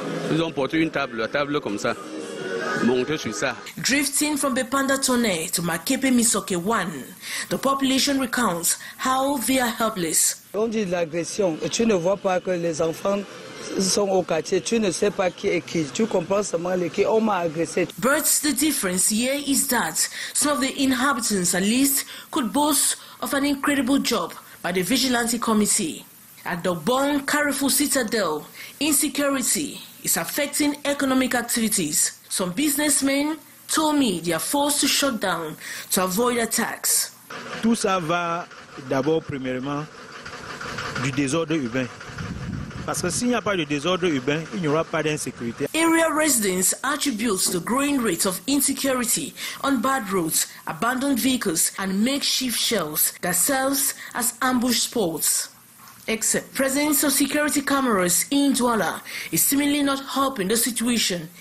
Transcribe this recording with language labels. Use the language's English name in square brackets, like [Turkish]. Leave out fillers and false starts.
[French] Ils ont porté une table, la table comme ça, montée sur ça. [English] Drifting from Bepanda Tone to Makepe Misoke 1, the population recounts how they are helpless. [French] On dit l'agression, et tu ne vois pas que les enfants sont au quartier, tu ne sais pas qui est qui, tu comprends seulement les qui, on m'a agressé. [English] But the difference here is that some of the inhabitants at least could boast of an incredible job by the vigilante committee. At the Bon Carrefour Citadel, insecurity is affecting economic activities. Some businessmen told me they are forced to shut down to avoid attacks. [French] Tout ça va d'abord premièrement du désordre urbain. Parce que s'il n'y a pas de désordre urbain, il n'y aura pas d'insécurité. [English] Area residents attribute the growing rate of insecurity on bad roads, abandoned vehicles and makeshift shells that serves as ambush spots. Except presence of security cameras in Douala is seemingly not helping the situation.